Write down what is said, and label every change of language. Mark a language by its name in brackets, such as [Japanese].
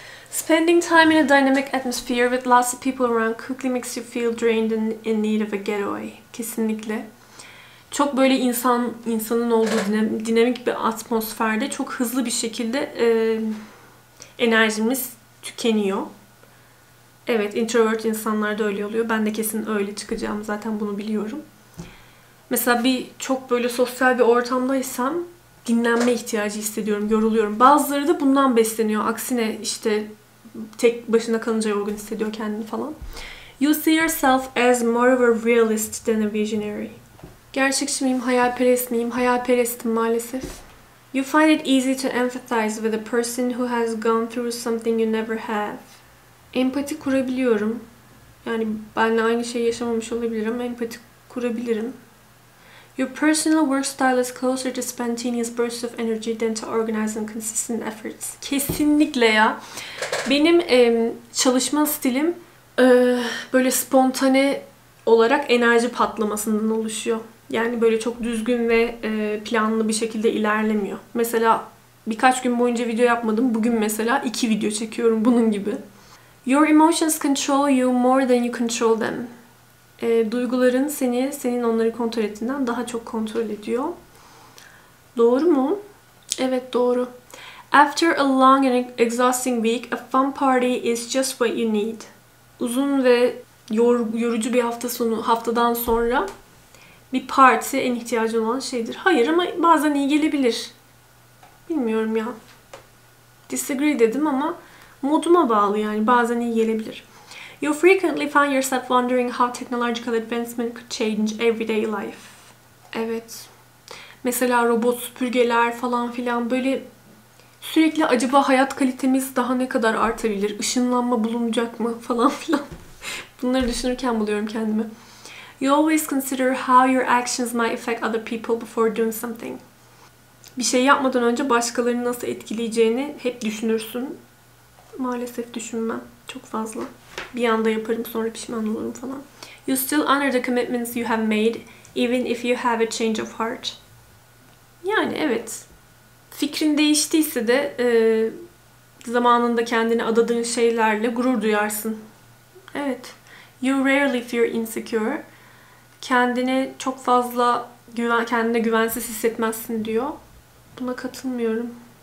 [English] Spending time in a dynamic atmosphere with lots of people around quickly makes you feel drained and in need of a getaway. [Turkish] Kesinlikle. Çok böyle insanın olduğu dinamik bir atmosferde çok hızlı bir şekilde enerjimiz tükeniyor. Evet, introvert insanlarda öyle oluyor. Ben de kesin öyle çıkacağım. Zaten bunu biliyorum. Mesela bir çok böyle sosyal bir ortamdaysam dinlenme ihtiyacı hissediyorum, yoruluyorum. Bazıları da bundan besleniyor. Aksine işte tek başına kalınca yorgun hissediyor kendini falan. [English] You see yourself as more of a realist than a visionary. [Turkish] Gerçekçi miyim, hayalperest miyim? Hayalperestim maalesef. [English] You find it easy to empathize with a person who has gone through something you never have. [Turkish] Empati kurabiliyorum. Yani ben de aynı şeyi yaşamamış olabilirim. Empati kurabilirim. [English] Your personal work style is closer to spontaneous bursts of energy than to organized and consistent efforts. [Turkish] Kesinlikle ya. Benim çalışma stilim böyle spontane olarak enerji patlamasından oluşuyor. Yani böyle çok düzgün ve planlı bir şekilde ilerlemiyor. Mesela birkaç gün boyunca video yapmadım. Bugün mesela iki video çekiyorum bunun gibi. [English] Your emotions control you more than you control them. [Turkish] Duyguların senin onları kontrol ettiğinden daha çok kontrol ediyor. Doğru mu? Evet, doğru. [English] After a long and exhausting week, a fun party is just what you need. [Turkish] Uzun ve yorucu bir haftadan sonra bir parti en ihtiyacın olan şeydir. Hayır ama bazen iyi gelebilir. Bilmiyorum ya. Disagree dedim ama moduma bağlı yani. Bazen iyi gelebilir. [English] You frequently find yourself wondering how technological advancement could change everyday life. [Turkish] Evet. Mesela robot süpürgeler falan filan böyle sürekli acaba hayat kalitemiz daha ne kadar artabilir? Işınlanma bulunacak mı falan filan. Bunları düşünürken buluyorum kendimi. [English] You always consider how your actions might affect other people before doing something. [Turkish] Bir şey yapmadan önce başkalarını nasıl etkileyeceğini hep düşünürsün. Maalesef düşünmem çok fazla. Bir anda yaparım sonra pişman olurum falan. [English] You still honor the commitments you have made even if you have a change of heart. [Turkish] Yani evet. Fikrin değiştiyse de zamanında kendini adadığın şeylerle gurur duyarsın. Evet. [English] You rarely feel insecure. [Turkish] Kendini çok fazla kendine güvensiz hissetmezsin diyor. Buna katılmıyorum.